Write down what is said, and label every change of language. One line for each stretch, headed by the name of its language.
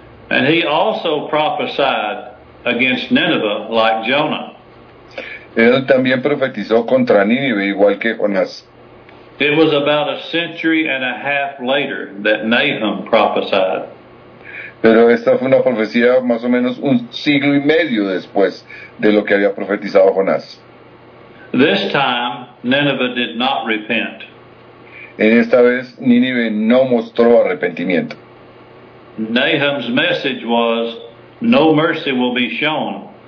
English: And he also prophesied against Nineveh like Jonah.
Spanish: Él también profetizó contra Nínive, igual que Jonás.
English: It was about a century and a half later that Nahum prophesied.
Spanish: Pero esta fue una profecía más o menos un siglo y medio después de lo que había profetizado Jonás.
English: This time, Nineveh did not repent.
Spanish: En esta vez, Nínive no mostró arrepentimiento.
English: Nahum's message was, no mercy will be shown.